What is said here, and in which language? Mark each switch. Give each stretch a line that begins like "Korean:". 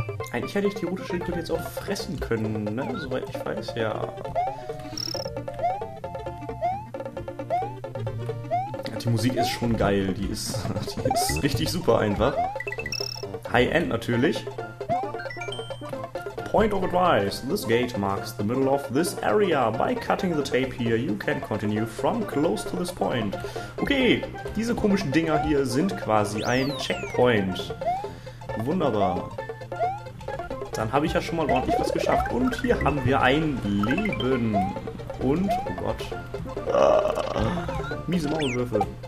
German: Eigentlich hätte ich die rote Schildkröte jetzt auch fressen können, ne? Soweit ich weiß, ja. Die Musik ist schon geil. Die ist richtig super einfach. High-End natürlich.
English: Point of advice, this gate marks the middle of this area. By cutting the tape here, you can continue from close to this point.
German: Okay, diese komischen Dinger hier sind quasi ein Checkpoint. Wunderbar. Dann habe ich ja schon mal ordentlich was geschafft. Und hier haben wir ein Leben. Und, oh Gott, miese Maulwürfe.